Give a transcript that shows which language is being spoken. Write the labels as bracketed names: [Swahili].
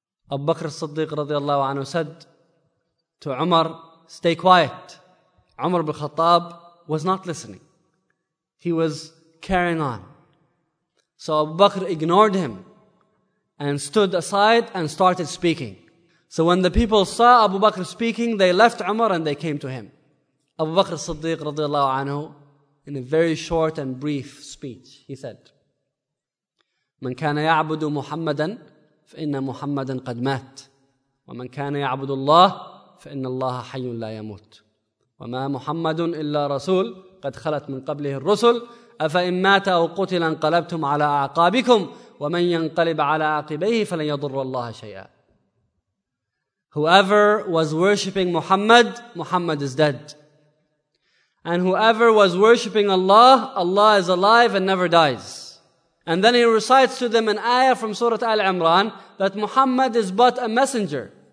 [English] Abu Bakr as-Siddiq radiallahu anhu said to Umar, stay quiet. Umar bin Khattab was not listening. He was carrying on. So Abu Bakr ignored him and stood aside and started speaking. So when the people saw Abu Bakr speaking, they left Umar and they came to him. Abu Bakr as-Siddiq radiallahu anhu, in a very short and brief speech, he said, [Arabic] من كان يعبد محمدا فإن محمدا قد مات ومن كان يعبد الله فإن الله حي لا يموت وما محمد إلا رسول قد خلت من قبله الرسل أفإن مات أو قتل انقلبتم على أعقابكم ومن ينقلب على عقبيه فلن يضر الله شيئا. [English] Whoever was worshipping Muhammad, Muhammad is dead. And whoever was worshipping Allah, Allah is alive and never dies. And then he recites to them an ayah from Surah Al-Imran that Muhammad is but a messenger.